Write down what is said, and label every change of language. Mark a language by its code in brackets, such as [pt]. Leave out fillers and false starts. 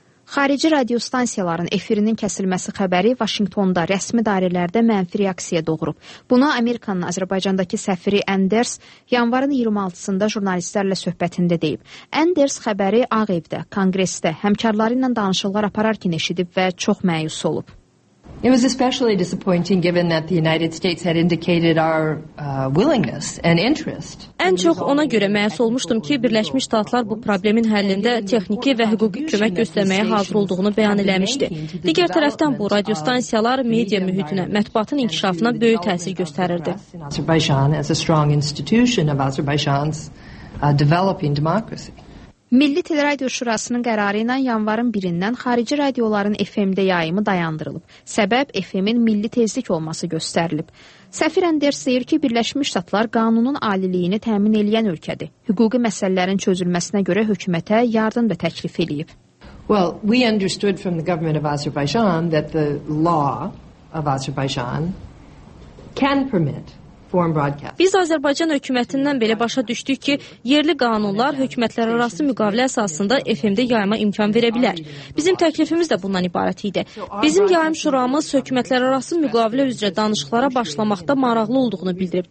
[az] Xarici radiostansiyaların efirinin kəsilməsi xəbəri Vaşinqtonda rəsmi dairələrdə mənfi reaksiya doğurub. Buna Amerikanın Azərbaycandakı səfiri Anders yanvarın 26-sında jurnalistlərlə söhbətində deyib. Anders xəbəri Ağ Evdə, Konqresdə həmkarları ilə danışıqlar apararkən eşidib və çox məyus olub. [en] It was especially disappointing given that the United States had indicated our willingness and interest. [az] Ən çox ona görə məyus olmuşdum ki, Birləşmiş Ştatlar bu problemin həllində texniki və hüquqi kömək göstərməyə hazır olduğunu bəyan eləmişdi. Digər tərəfdən bu radiostansiyalar media mühitinə, mətbuatın inkişafına böyük təsir göstərirdi. [en] Azerbaijan as a strong institution of Azerbaijan's developing democracy. [az] Milli Teleradio Şurasının qərarı ilə yanvarın 1-dən xarici radioların FM-də yayımı dayandırılıb. Səbəb FM-in milli tezlik olması göstərilib. Səfir Anders deyir ki, Birləşmiş Ştatlar qanunun aliliyini təmin edən ölkədir. Hüquqi məsələlərin çözülməsinə görə hökumətə yardım da təklif eləyib. [en] Well, we understood from the government of Azerbaijan that the law of Azerbaijan can permit. [az] Biz Azərbaycan hökumətindən belə başa düşdük ki, yerli qanunlar hökumətlərarası müqavilə əsasında FM-də yayıma imkan verə bilər. Bizim təklifimiz də bundan ibarət idi. Bizim yayım şuramız hökumətlərarası müqavilə üzrə danışıqlara başlamaqda maraqlı olduğunu bildirib.